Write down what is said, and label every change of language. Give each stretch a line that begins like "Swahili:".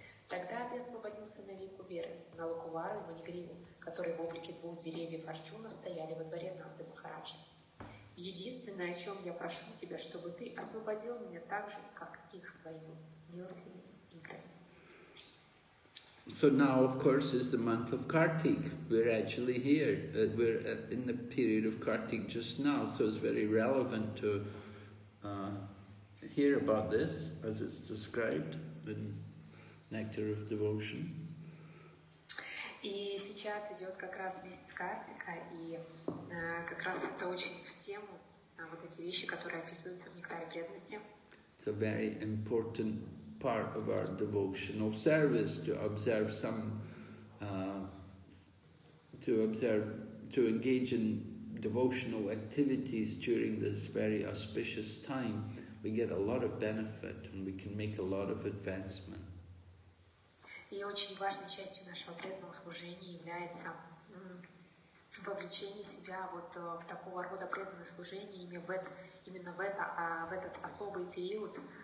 Russian: Тогда ты освободился на вику веры, на лакувару и манигриву, которые в облике двух деревьев Арчуна стояли во дворе Нанды Махараджа. Единственное, о чем я прошу тебя, чтобы ты освободил меня так же, как их своими милостными играми.
English: So now, of course, is the month of Kartik. We're actually here. We're in the period of Kartik just now, so it's very relevant to hear about this, as it's described in Nectar of Devotion.
Russian: И сейчас идет как раз месяц Картика, и как раз это очень в тему, вот эти вещи, которые описываются в Нектаре преданности.
English: It's a very important part of our devotional service to observe some, to engage in devotional activities during this very auspicious time. We get a lot of benefit and we can make a lot of advancement.
Russian: И очень важной частью нашего преданного служения является вовлечение себя вот в такого рода преданное служение именно в это в этот особый период.